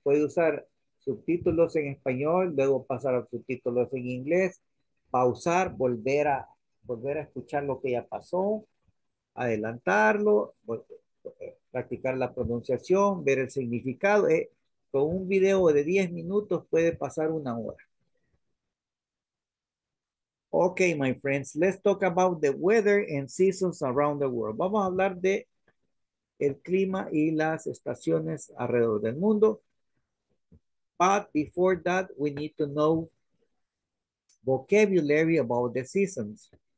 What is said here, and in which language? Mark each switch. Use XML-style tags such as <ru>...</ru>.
<es>Puede usar subtítulos en español, luego pasar a subtítulos en inglés, pausar, volver a escuchar lo que ya pasó, adelantarlo, practicar la pronunciación, ver el significado. Con un video de 10 minutos puede pasar una hora.</es> <en>Okay, my friends, let's talk about the weather and seasons around the world.</en> <es>Vamos a hablar de el clima y las estaciones alrededor del mundo.</es> <en>But before that, we need to know vocabulary about the seasons.</en>